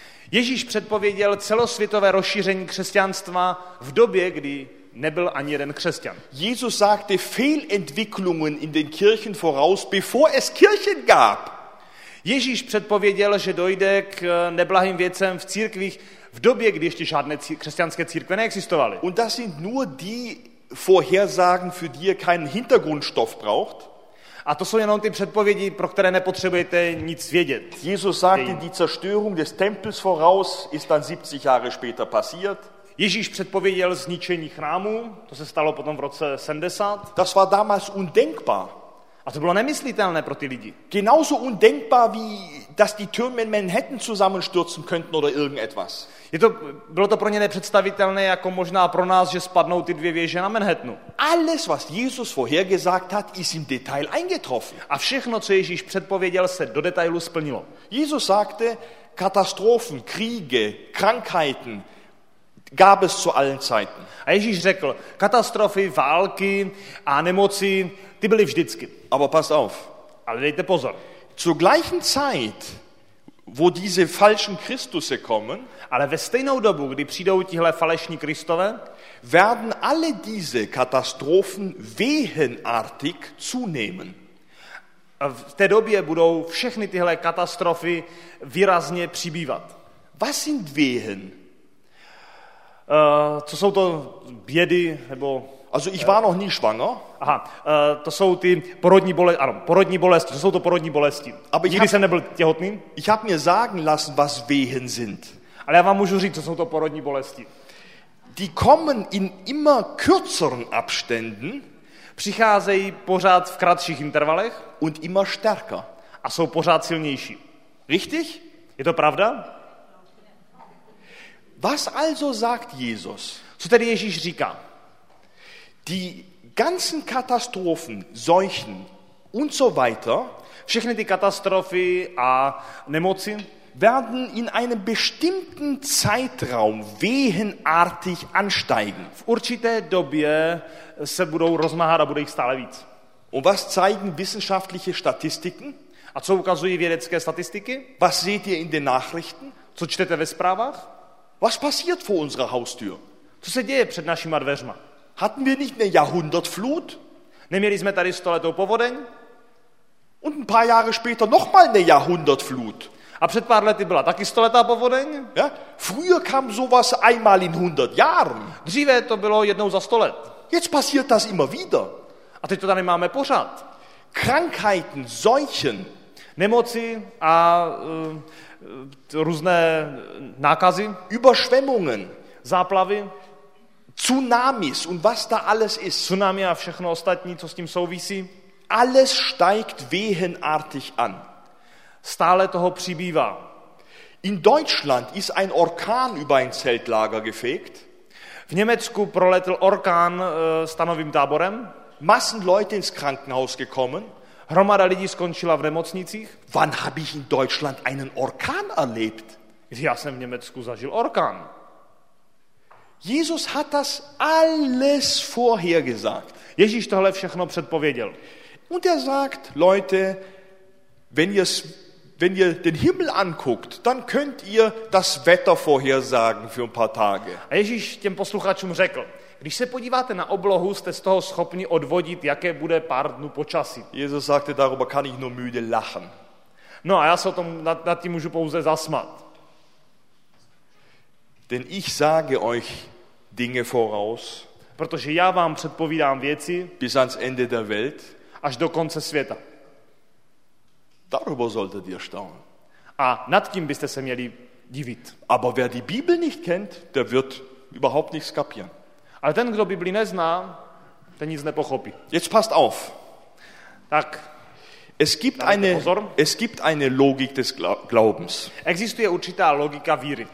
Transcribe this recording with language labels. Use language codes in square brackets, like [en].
[cs] Ježíš předpověděl celosvětové rozšíření křesťanstva v době, kdy nebyl ani jeden křesťan. [de] Jesus sagte Fehlentwicklungen in den Kirchen voraus, bevor es Kirchen gab. [cs] Ježíš předpověděl, že dojde k neblahým věcem v církvích v době, kdy ještě žádné křesťanské církve neexistovaly. [de] Und das sind nur die Vorhersagen, für die ihr keinen Hintergrundstoff braucht. [cs] A to jsou jenom ty předpovědi, pro které nepotřebujete nic vědět. [de] Jesus sagte, die Zerstörung des Tempels voraus ist dann 70 Jahre später passiert. [cs] Ježíš předpověděl zničení chrámu, to se stalo potom v roce 70. [de] Das war damals undenkbar. [cs] A to bylo nemyslitelné pro ty lidi. [de] Genauso undenkbar wie dass die Türme in Manhattan zusammenstürzen könnten oder irgendetwas. [cs] Bylo to pro ně nepředstavitelné, jako možná pro nás, že spadnou ty dvě věže na Manhattanu. [de] Alles was Jesus vorhergesagt hat, ist im Detail eingetroffen. [cs] A všechno, co Ježíš předpověděl, se do detailu splnilo. [de] Jesus sagte, Katastrophen, Kriege, Krankheiten gab es zu allen Zeiten. [cs] A Ježíš řekl, katastrofy, války a nemoci, ty byly vždycky. [de] Aber pass auf. [cs] Ale dejte pozor. [de] Zur gleichen Zeit, wo diese falschen Christusse kommen, [cs] ale ve stejnou dobu, kdy přijdou tihle falešní Kristové, [de] werden alle diese Katastrophen wehenartig zunehmen. [cs] V té době budou všechny tyhle katastrofy výrazně přibývat. [de] Was sind Wehen? [cs] Co jsou to bědy nebo... [de] Also ich war noch nie schwanger. [cs] Aha, to jsou ty porodní bolesti, ano, porodní bolesti, to jsou to porodní bolesti. [de] Aber [cs] nikdy jsem nebyl těhotný. [de] Ich hab mir sagen lassen, was Wehen sind. [cs] Ale já vám můžu říct, co jsou to porodní bolesti. [de] Die kommen in immer kürzeren Abständen. [cs] Přicházejí pořád v kratších intervalech. [de] Und immer stärker. [cs] a jsou pořád silnější. [de] Richtig? [cs] Je to pravda? [de] Was also sagt Jesus? [cs] Co tedy Ježíš říká? [de] Die ganzen Katastrophen, Seuchen und so weiter, [cs] všechny ty katastrofy a nemoci, [de] werden in einem bestimmten Zeitraum wehenartig ansteigen. [cs] V určité době se budou rozmáhat a bude jich stále víc. [de] Und was zeigen wissenschaftliche Statistiken? [cs] A co ukazují vědecké statistiky? [de] Was seht ihr in den Nachrichten? [cs] Co čtete ve zprávách? [de] Was passiert vor unserer Haustür? [cs] Co se děje před našima dveřma? [de] Hatten wir nicht eine Jahrhundertflut? [cs] Neměli jsme tady stoletou povodeň? [de] Und ein paar Jahre später noch mal eine Jahrhundertflut. [cs] A před pár lety byla taky stoletá povodeň? [de] Ja? Früher kam sowas einmal in 100 Jahren. [cs] Dříve to bylo jednou za 100 let. [de] Jetzt passiert das immer wieder. [cs] A teď to tady máme pořád. [de] Krankheiten, Seuchen. [cs] Nemoci a různé nákazy. [de] Überschwemmungen. [cs] Záplavy. [de] Tsunamis und was da alles ist. [cs] Tsunami a všechno ostatní, co s tím souvisí. [de] Alles steigt wehenartig an. [cs] Stále toho přibývá. [de] In Deutschland ist ein Orkan über ein Zeltlager gefegt. [cs] V Německu proletl orkán stanovým táborem. [de] Massen Leute ins Krankenhaus gekommen. [cs] Hromada lidí skončila v nemocnicích. [de] Wann habe ich in Deutschland einen Orkan erlebt? [cs] Já jsem v Německu zažil orkán. [de] Jesus hat das alles vorhergesagt. [cs] Ježíš tohle všechno předpověděl. [de] Und sagt, Leute, wenn ihr den Himmel anguckt, dann könnt ihr das Wetter vorhersagen für ein paar Tage. [cs] A Ježíš těm posluchačům řekl, když se podíváte na oblohu, jste z toho schopni odvodit, jaké bude pár dnů počasí. [de] Jesus sagte, darüber kann ich nur müde lachen. [cs] No a já se o tom nad tím můžu pouze zasmat. [de] Denn ich sage euch Dinge voraus. [cs] Protože já vám předpovídám věci. [de] Bis ans Ende der Welt. [cs] Až do konce světa. [de] Darüber solltet ihr staunen. [cs] A nad tím byste se měli divit. [de] Aber wer die Bibel nicht kennt, der wird überhaupt nichts kapieren. [cs] Ale ten, kdo Bibli nezná, ten nic nepochopí. [de] Jetzt passt auf. [cs] Tak. [de] Es gibt eine Logik des Glaubens. [cs] Existuje určitá logika víry.